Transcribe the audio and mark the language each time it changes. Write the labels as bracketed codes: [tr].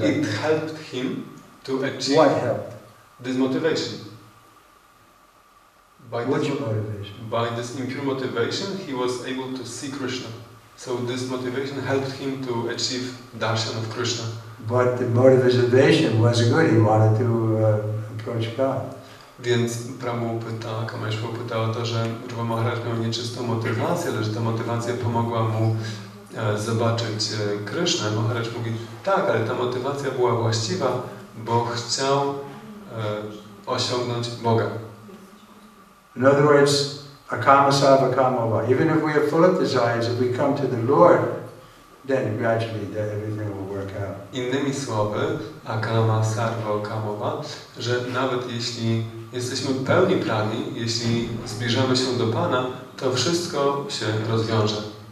[en] It helped him to achieve. What helped? This motivation. By this impure motivation, he was able to see Krishna. So this motivation helped him to achieve darshan of Krishna. But the motivation was good. He wanted to approach God. [pl] Więc Kameshwar pytał o to, że Dhruva Maharaj miał nieczystą motywację, ale że ta motywacja pomogła mu zobaczyć Krishna. Maharaj mówi, tak, ale ta motywacja była właściwa, bo chciał osiągnąć Boga. [en] In other words, [sa] akama sava kama va. [en] Even if we are full of desires, if we come to the Lord, then gradually that everything will work out. [pl] Innymi słowy, [sa] akama sarva kama va, [pl] że nawet jeśli jesteśmy pełni pragni, jeśli zbliżamy się do Pana, to wszystko się rozwiąże.